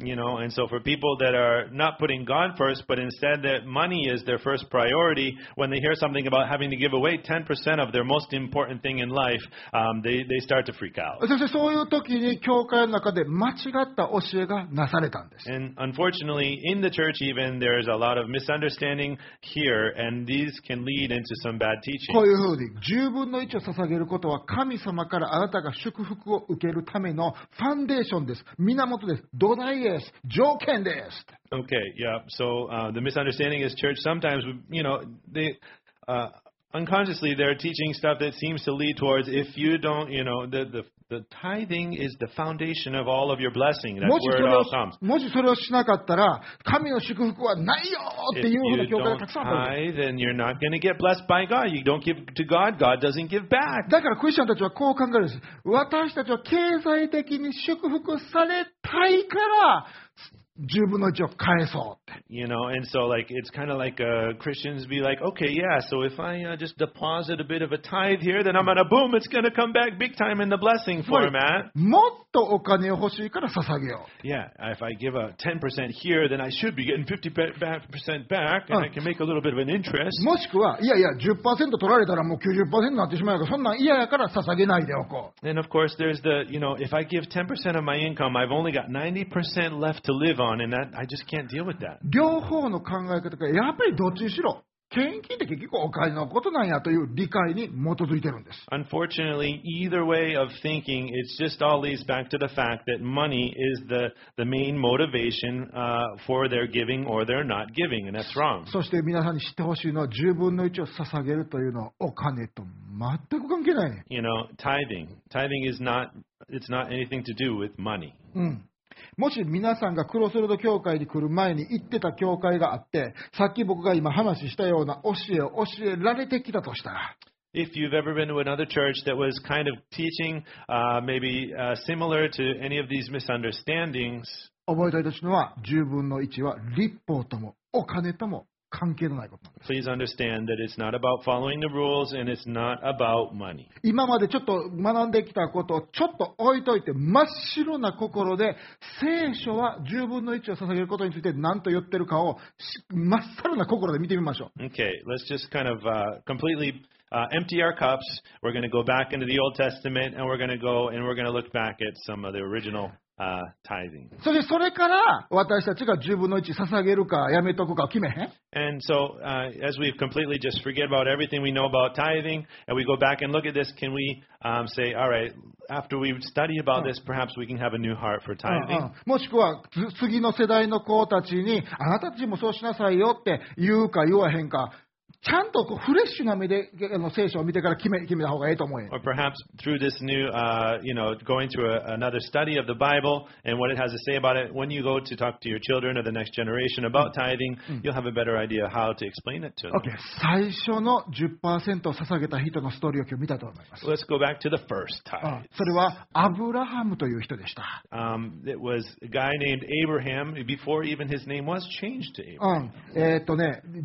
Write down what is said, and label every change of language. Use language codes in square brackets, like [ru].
[en] You know, and so for peopleThat are not putting God first, but instead that money is their first priority. When they hear something about having to give away 10% of their most important thing in life, they start to freak out. [ja] そしてそういう時に教会の中で間違った教えがなされたんです。 [en] And unfortunately, in the church even there is a lot of misunderstanding here, and these can lead into some bad teaching. [ja] こういうふうに十分の一を捧げることは神様からあなたが祝福を受けるためのファンデーションです。源です。土台です。条件です。 [en] Okay, yeah. So the misunderstanding is church sometimes, you know, they unconsciously they're teaching stuff that seems to lead towards if you don't, you know, the tithing is the foundation of all of your blessing. That's where it all comes. [ja] もしそれをしなかったら神の祝福はないよっていうような教会がたくさんある。 [en] If you don't tithe, then you're not going to get blessed by God. You don't give to God, God doesn't give back. [ja] だからクリスチャンたちはこう考えるんです。私たちは経済的に祝福されたいから。十分の一を返そうって。 [en] You know, and so like it's kind of like Christians be like, okay, yeah, so if I just deposit a bit of a tithe here, then I'm gonna boom, it's gonna come back big time in the blessing format. [ja] もっとお金を欲しいから捧げよう。 [en] Yeah, if I give a 10% here, then I should be getting 50% back, and I can make a little bit of an interest. [ja] もしくはいやいや 10% 取られたらもう 90% になってしまうからそんなん嫌やから捧げないでおこう。 [en] And of course, there's the you know, if I give 10% of my income, I've only got 90% left to live. On and that, I just can't deal with that. [ja] 両方の考え方がやっぱりどっちにしろ献金って結局お金のことなんやという理解に基づいてるんです。 [en] Unfortunately, either way of thinking, it just all leads back to the fact that money is the main motivation for their giving or their not giving, and that's wrong. [ja] そして皆さんに知ってほしいのは十分の一を捧げるというのはお金と全く関係ない。 [en] You know, tithing is it's not anything to do with money. [ja] うん。もし皆さんがクロスロード教会に来る前に行ってた教会があって、さっき僕が今話したような教えを教えられてきたとしたら、 [en] If you've ever been to another church that was kind of teaching, maybe similar to any of these misunderstandings, [ja] 覚えておいてほしいのは、十分の一は立法ともお金とも関係のないことなんです。 [en] Please understand that it's not about following the rules and it's not about money. [ja] 今までちょっと学んできたことをちょっと置いといて真っ白な心で聖書は十分の一を捧げることについて何と言ってるかを真っさらな心で見てみましょう。 [en] Okay, let's just kind of completely empty our cups. We're going to go back into the Old Testament and we're going to look back at some of the original tithing. [ja] そしてそれから私たちが10分の1捧げるかやめとくか決めへん。 [en] And so, as we completely just forget about everything we know about tithing, and we go back and look at this, can we, say, all right, after we study about this, perhaps we can have a new heart for tithing. [ja] もしくは次の世代の子たちにあなたたちもそうしなさいよって言うか言わへんか。ちゃんとこうフレッシュな目での聖書を見てから決めた方がいいと思う。 [en] Or perhaps through this new, you know, going through another study of the Bible and what it has to say about it, when you go to talk to your children or the next generation about tithing, you'll have a better idea how to explain it to them. [ja] Okay, 最初の 10% を捧げた人のストーリーを今日見たと思います。 [en] Let's go back to the first tithe. [ja] それはアブラハムという人でした。 [en] It was a guy named Abraham before even his name was changed to Abraham.